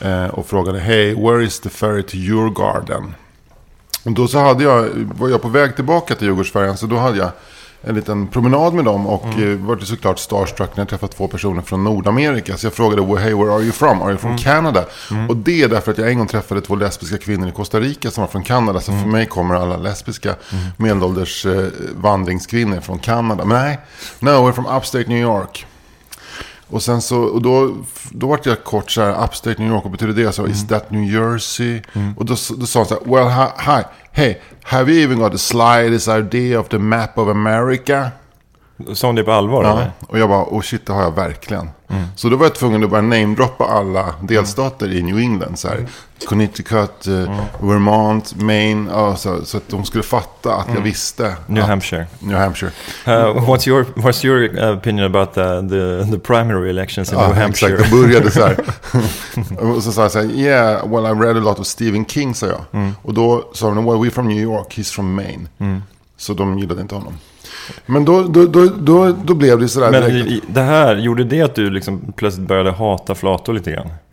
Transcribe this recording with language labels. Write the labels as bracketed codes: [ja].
[sv] Och frågade, [en] hey, where is the ferry to your garden? [sv] Och då så var jag på väg tillbaka till Djurgårdsfärjan, så då hade jag en liten promenad med dem och var det såklart starstruck när jag träffade två personer från Nordamerika. Så jag frågade, [en] well, hey, where are you from? Are you from Canada? [sv] Och det är därför att jag en gång träffade två lesbiska kvinnor i Costa Rica som var från Kanada. Så för mig kommer alla lesbiska medelålders vandringskvinnor från Kanada. Men nej, [en] no, we're from upstate New York. [sv] Och sen så, och då var jag kort så här, [en] upstate New York, [sv] och betyder det? Så, [en] is that New Jersey? [sv] Och då sa han så här, [en] well, hi. Hey, have you even got the slightest idea of the map of America? [sv] Sa hon det på allvar? Ja, eller? Och jag bara, [en] oh shit, [sv] det har jag verkligen. Så då var jag tvungen att bara namedroppa alla delstater i New England. Så här, Connecticut, Vermont, Maine, så att de skulle fatta att jag visste. [en] New Hampshire. What's your opinion about the primary elections in New Hampshire? [sv] Exakt, jag började så här. Och så sa jag så här, [en] yeah, well I read a lot of Stephen King, [sv] sa jag. Och då sa de, [en] well we're from New York, he's from Maine. [sv] Så de gillade inte honom. Men då blev det sådär. Men det här, gjorde det att du liksom plötsligt började hata flator lite grann?